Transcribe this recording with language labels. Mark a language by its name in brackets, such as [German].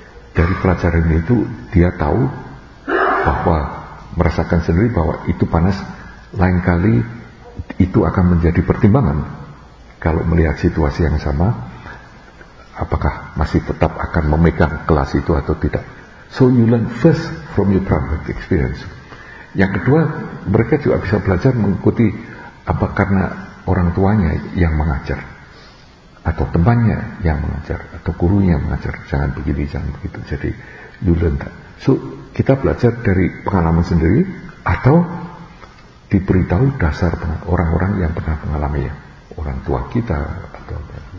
[Indonesian] Dari pelajaran itu dia tahu bahwa, merasakan sendiri bahwa itu panas, lain kali itu akan menjadi pertimbangan kalau melihat situasi yang sama, apakah masih tetap akan memegang gelas itu atau tidak. [English] So you learn first from your private experience. [Indonesian] Yang kedua, mereka juga bisa belajar mengikuti apa, karena orang tuanya yang mengajar atau temannya yang mengajar atau gurunya yang mengajar, jangan begini, jangan begitu. Jadi [English] you learn that. [Indonesian] So kita belajar dari pengalaman sendiri atau diberitahu dasar orang-orang yang pernah mengalami, ya, orang tua kita atau apa.